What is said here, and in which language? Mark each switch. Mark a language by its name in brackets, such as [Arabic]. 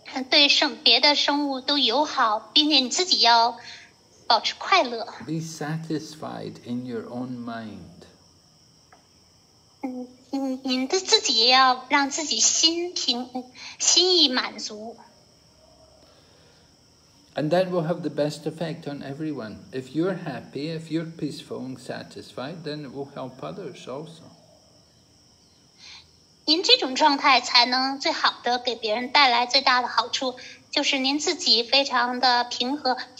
[Chinese] 对别的生物都友好，并且你自己要。保持快乐。 [English] Be satisfied in your own mind. [Chinese] 您的自己要让自己心意满足。 [English] And that will have the best effect on everyone. If you're happy, if you're peaceful and satisfied, then it will help others also. [Chinese] 您这种状态才能最好的给别人带来最大的好处，就是您自己非常的平和。